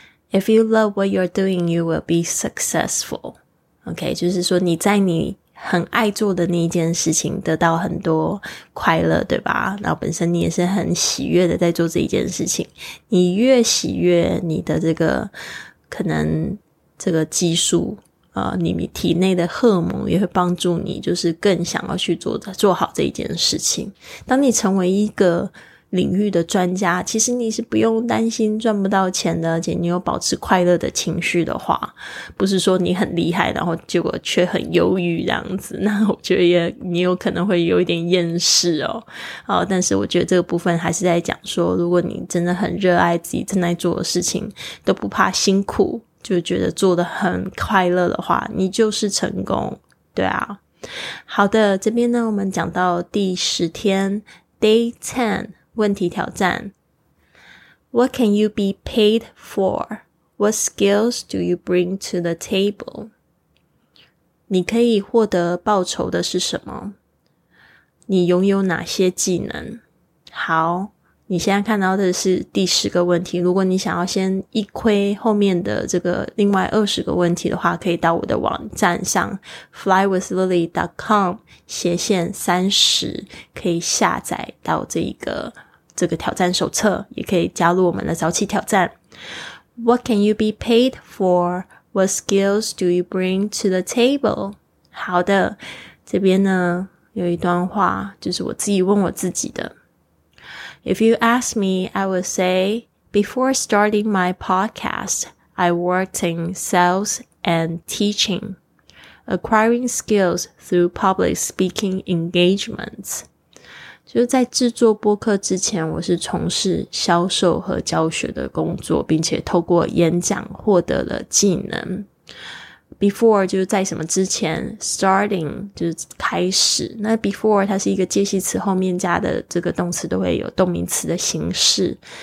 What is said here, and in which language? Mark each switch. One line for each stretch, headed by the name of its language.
English: If you love what you are doing you will be successful。
Chinese: OK， 就是说你在你很爱做的那一件事情得到很多快乐，对吧？然后本身你也是很喜悦的在做这一件事情，你越喜悦你的这个可能这个技术你体内的荷尔蒙也会帮助你就是更想要去做好这一件事情。当你成为一个领域的专家，其实你是不用担心赚不到钱的，而且你有保持快乐的情绪的话，不是说你很厉害然后结果却很忧郁这样子，那我觉得你有可能会有一点厌世哦。但是我觉得这个部分还是在讲说，如果你真的很热爱自己正在做的事情，都不怕辛苦，就觉得做得很快乐的话，你就是成功。对啊。好的，这边呢我们讲到第十天 Day 10问题挑战。
English: What can you be paid for? What skills do you bring to the table?
Chinese: 你可以获得报酬的是什么？你拥有哪些技能？好，你现在看到的是第十个问题，如果你想要先一窥后面的这个另外二十个问题的话，可以到我的网站上 flywithlily.com/30，可以下载到这个挑战手册，也可以加入我们的早起挑战。
English: What can you be paid for? What skills do you bring to the table?
Chinese: 好的，这边呢有一段话，就是我自己问我自己的。
English: If you ask me, I would say, before starting my podcast, I worked in sales and teaching, acquiring skills through public speaking engagements.
Chinese: 就是在制作播客之前，我是从事销售和教学的工作，并且透过演讲获得了技能。 Before 就是在什么之前 ，starting 就是开始。那 before 它是一个介系词，后面加的这个动词都会有动名词的形式。